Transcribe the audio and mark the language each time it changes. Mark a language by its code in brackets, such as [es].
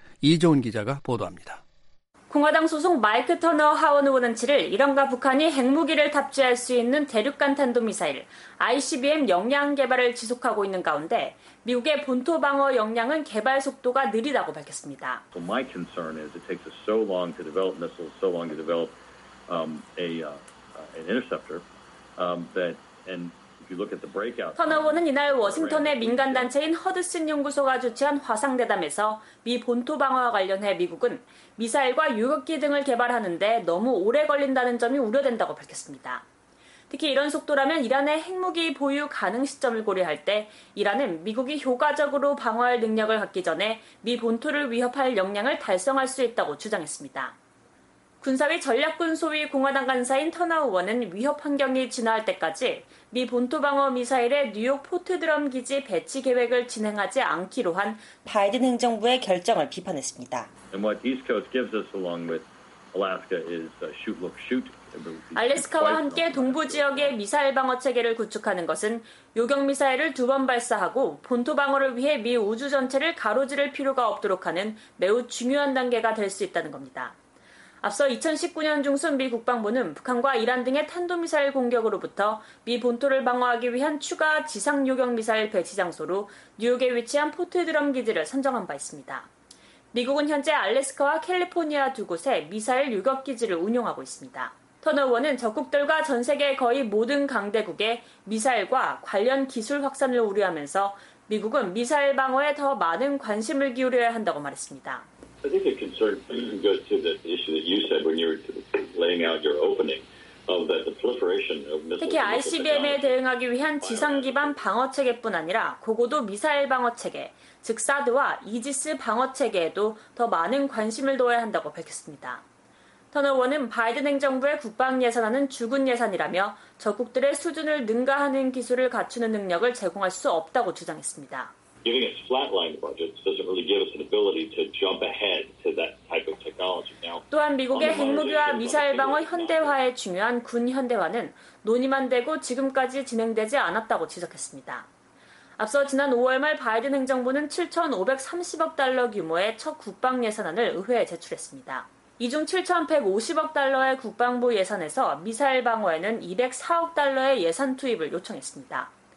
[ko] 이종훈 기자가 보도합니다. 공화당 소속 마이크 터너 하원 의원은 7일 이란과 북한이 핵무기를 탑재할 수 있는 대륙간 탄도미사일 ICBM 역량 개발을 지속하고 있는 가운데 미국의 본토 방어 역량은 개발 속도가 느리다고 밝혔습니다. [en] So my concern is it takes us so long to develop missiles, so long to develop an interceptor that and [ko] 터너 의원은 이날 워싱턴의 민간단체인 허드슨 연구소가 주최한 화상대담에서 미 본토 방어와 관련해 미국은 미사일과 요격기 등을 개발하는데 너무 오래 걸린다는 점이 우려된다고 밝혔습니다. 특히 이런 속도라면 이란의 핵무기 보유 가능 시점을 고려할 때 이란은 미국이 효과적으로 방어할 능력을 갖기 전에 미 본토를 위협할 역량을 달성할 수 있다고 주장했습니다. 군사위 전략군 소위 공화당 간사인 터너 의원은 위협 환경이 진화할 때까지 미 본토 방어 미사일의 뉴욕 포트드럼 기지 배치 계획을 진행하지 않기로 한 바이든 행정부의 결정을 비판했습니다. [en] And what East Coast gives us along with Alaska is shoot, look, shoot. [ko] 알래스카와 함께 동부 지역의 미사일 방어 체계를 구축하는 것은 요격 미사일을 두 번 발사하고 본토 방어를 위해 미 우주 전체를 가로지를 필요가 없도록 하는 매우 중요한 단계가 될 수 있다는 겁니다. 앞서 2019년 중순 미 국방부는 북한과 이란 등의 탄도미사일 공격으로부터 미 본토를 방어하기 위한 추가 지상 요격 미사일 배치 장소로 뉴욕에 위치한 포트드럼 기지를 선정한 바 있습니다. 미국은 현재 알래스카와 캘리포니아 두 곳에 미사일 요격 기지를 운용하고 있습니다. 터너 의원은 적국들과 전 세계 거의 모든 강대국에 미사일과 관련 기술 확산을 우려하면서 미국은 미사일 방어에 더 많은 관심을 기울여야 한다고 말했습니다. [en] I think the concern goes to the issue that you said when you were laying out your opening of that the proliferation of missiles. [ko] 특히 ICBM에 대응하기 위한 지상 기반 방어 체계뿐 아니라 고고도 미사일 방어 체계, 즉 사드와 이지스 방어 체계에도 더 많은 관심을 둬야 한다고 밝혔습니다. 터너 의원은 바이든 행정부의 국방 예산안은 죽은 예산이라며 적국들의 수준을 능가하는 기술을 갖추는 능력을 제공할 수 없다고 주장했습니다. [en] giving us flatline budgets doesn't really give us an ability to jump ahead to that type of technology. Now, [ko] 또한 미국의 핵무기와 미사일 방어 현대화에 중요한 군 현대화는 논의만 되고 지금까지 진행되지 않았다고 지적했습니다. 앞서 지난 5월 말 바이든 행정부는 7,530억 달러 규모의 첫 국방 예산안을 의회에 제출했습니다. 이 중 7,150억 달러의 국방부 예산에서 미사일 방어에는 204억 달러의 예산 투입을 요청했습니다.